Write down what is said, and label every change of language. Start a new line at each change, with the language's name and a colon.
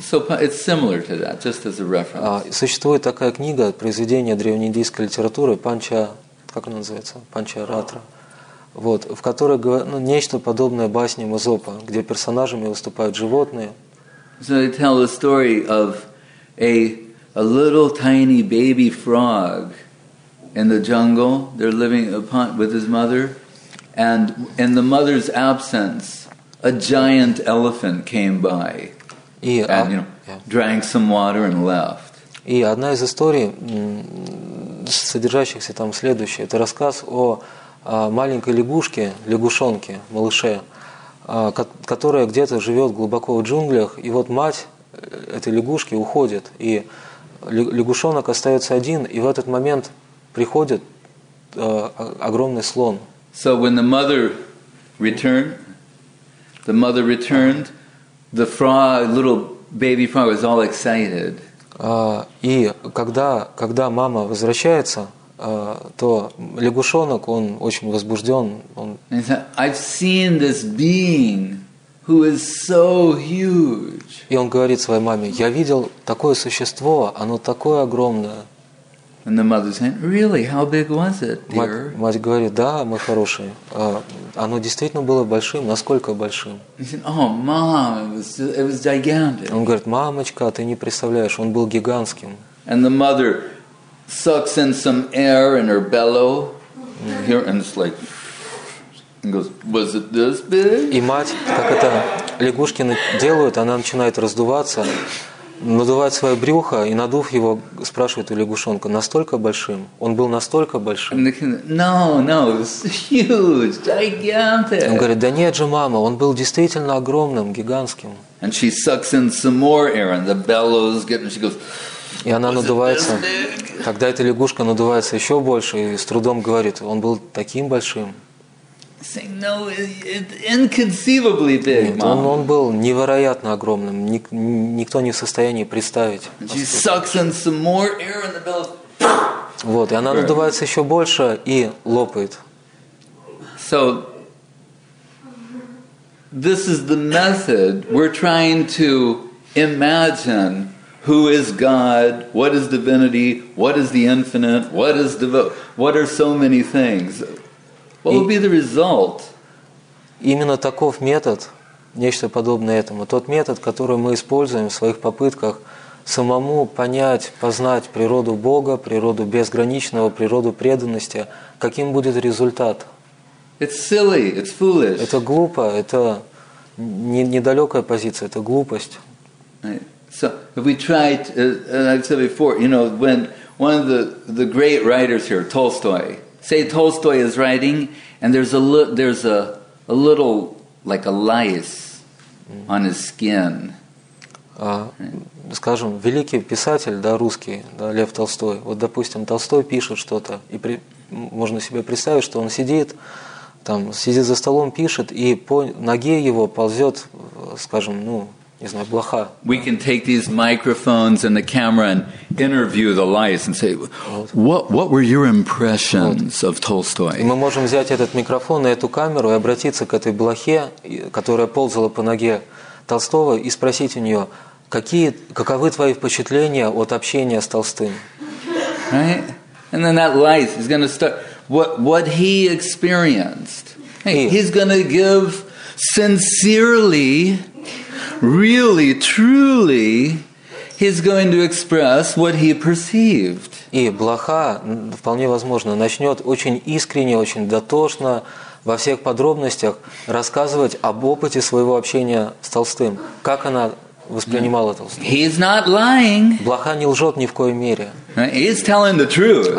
English: So it's similar to that, just as a reference.
Russian: Существует такая книга, произведение древнеиндийской литературы, Панча, как она называется? Панчаратра. Вот, в которой нечто подобное басням Эзопа, где персонажами выступают животные.
English: So they tell the story of a little tiny baby frog in the jungle, they're living with his mother, and in the mother's absence, a giant elephant came by and drank some water and left.
Russian: И одна из историй, содержащихся там следующее, это рассказ о маленькой лягушке, лягушонке, малыше, которая где-то живет глубоко в джунглях, и вот мать этой лягушки уходит, и лягушонок остается один, и в этот момент приходит огромный слон.
English: So when the mother returned, the frog, little baby frog, was all excited.
Russian: И когда мама возвращается, то лягушонок, он очень возбужден.
English: I've seen this being who is so huge.
Russian: И он говорит своей маме: я видел такое существо, оно такое огромное.
English: And the mother said, "Really? How big was it, dear?"
Russian: Мать говорит: "Да, мой хороший. Оно действительно было большим. Насколько большим?"
English: He said, "Oh, mom, it was gigantic."
Russian: Он говорит: "Мамочка, ты не представляешь, он был гигантским."
English: And the mother sucks in some air in her bellow, here, and it's like, and goes, "Was it this big?"
Russian: И мать, как это лягушки делают, она начинает раздуваться. Надувает свое брюхо и, надув его, спрашивает у лягушонка: настолько большим? Он был настолько большим?
English: No, huge, gigantic.
Russian: Он говорит: да нет же, мама, он был действительно огромным, гигантским.
English: And she sucks in some more air and the bellows get, and she goes,
Russian: и она
English: was
Russian: надувается. Тогда эта лягушка надувается еще больше и с трудом говорит: он был таким большим.
English: Saying, no, inconceivably big,
Russian: нет, он был невероятно огромным, никто не в состоянии представить.
English: She sucks in some more air in the belly.
Russian: Вот, и она надувается еще больше и лопает.
English: So this is the method we're trying to imagine Who is God? What is divinity? What is the infinite? What is devotion? What are so many things? What would be the result?
Russian: Именно таков метод, нечто подобное этому, тот метод, который мы используем в своих попытках самому понять, познать природу Бога, природу безграничного, природу преданности, каким будет результат?
English: It's silly, it's foolish.
Russian: Это глупо, это недалекая позиция, это глупость.
English: So if we try, as I said before, you know, when one of the great writers here, Tolstoy, say Tolstoy is writing, and there's a little like a lice on his skin.
Russian: Скажем, великий писатель, да, русский, да, Лев Толстой. Вот, допустим, Толстой пишет что-то, и можно себе представить, что он сидит там, сидит за столом, пишет, и по ноге его ползет, скажем, ну, не знаю, блоха.
English: We can take these microphones and the camera and interview the lice and say, what were your impressions of Tolstoy?
Russian: Мы можем взять этот микрофон и эту камеру и обратиться к этой блохе, которая ползала по ноге Толстого, и спросить у нее, каковы твои впечатления от общения с Толстым?
English: Right? And then that lice is going to start. What he experienced? Hey, he's going to give sincerely. Really, truly, he's going to express what he perceived.
Russian: И блоха, вполне возможно, начнет очень искренне, очень дотошно, во всех подробностях рассказывать об опыте своего общения с Толстым. Как она воспринимала Толстого.
English: He's not lying.
Russian: Блоха не лжет ни в коей мере.
English: He's telling the truth.